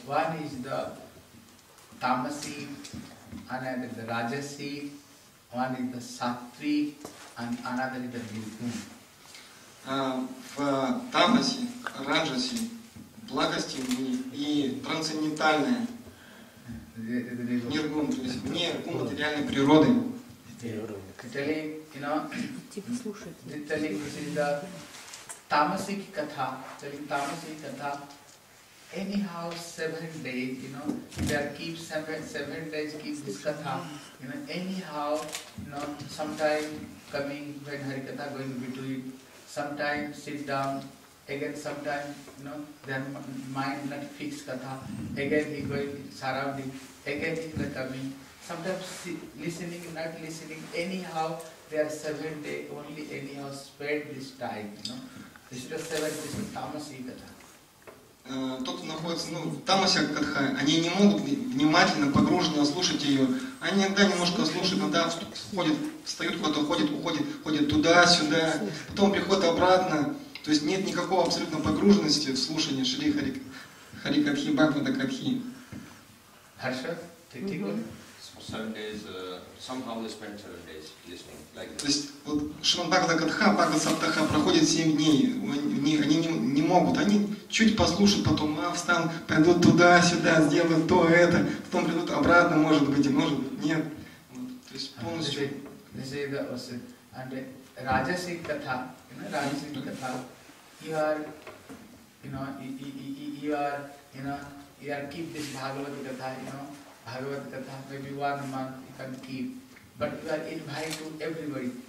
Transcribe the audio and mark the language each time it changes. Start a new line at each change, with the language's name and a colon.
English: One is the Tamasi, another is the Rajasi, one is the Sattvi, and another is the Vipun.
Russian: В тамасе, раджасе, благости и трансцендентальное, ниргун, то есть вне материальной природы.
English: Китали, you know,
Russian: типа слушать.
English: Китали, this is the tamasic katha. Telling tamasic katha, anyhow 7 days, you know, they keep seven days keep this katha. You know, anyhow, you know, sometime coming when harikatha going between. Sometimes sit down, again sometimes, you know, their mind not fixed katha, again he going surrounding, again he not coming. Sometimes listening, not listening, anyhow, they are 7 days only, anyhow, spread this time, you know. This is the 7 days of tamasi katha.
Russian: Тот, кто находится в тамасе катха, они не могут внимательно, погруженно слушать ее. Они иногда немножко слушают, иногда входят, встают куда-то, уходят, уходят, ходят туда-сюда, потом приходят обратно. То есть нет никакого абсолютно погруженности в слушание Шри Хари Катхи, Бхагавата Катхи. Хорошо? Ты тихо? То есть вот Шримад Бхагавата Катха, Бхагавата Саптаха проходит 7 дней. Они не могут, они чуть послушают, потом встанут, пойдут туда-сюда, сделают то, это, потом придут обратно, может быть, и может быть, нет. Вот, то есть полностью.
English: This is the also, and Rajasik Katha, you know, Rajasik Katha, you are keep this Bhagavata Katha, you know. Bhagavad Katha, maybe 1 month you can keep, but you are invited to everybody.